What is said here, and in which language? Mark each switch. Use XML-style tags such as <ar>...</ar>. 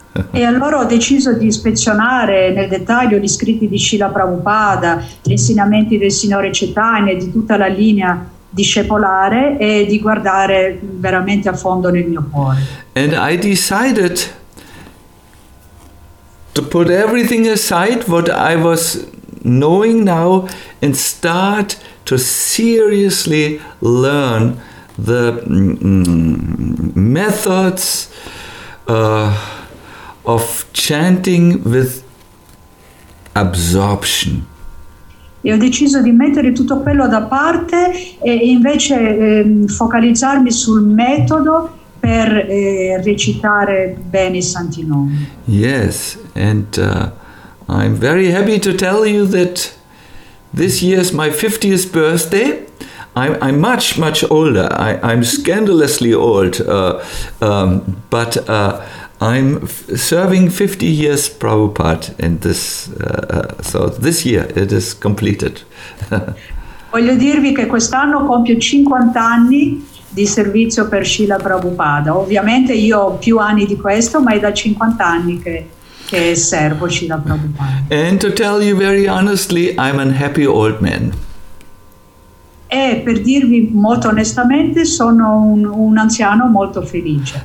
<it>E allora ho deciso di ispezionare nel dettaglio gli scritti di Srila Prabhupada, gli insegnamenti del Signore Chaitanya, di tutta la linea discepolare e di guardare veramente a fondo nel mio cuore.</it> <en>And I decided to put everything aside what I was knowing now and start to seriously learn the methods of chanting with absorption.</en> <it>E ho deciso di mettere tutto quello da parte e invece focalizzarmi sul metodo per recitare bene i santi nomi.</it> <en>Yes, and I'm very happy to tell you that this year is my 50th birthday. I'm much, much older. I'm scandalously old. I'm serving 50 years Prabhupada in this. So this year it is completed.</en> <it>Voglio dirvi che quest'anno compio 50 anni di servizio per Srila Prabhupada. Ovviamente io ho più anni di questo, ma è da 50 anni che servo Srila Prabhupada.</it> <en>And to tell you very honestly, I'm a happy old man.</en> <it>E per dirvi molto onestamente, sono un anziano molto felice.</it>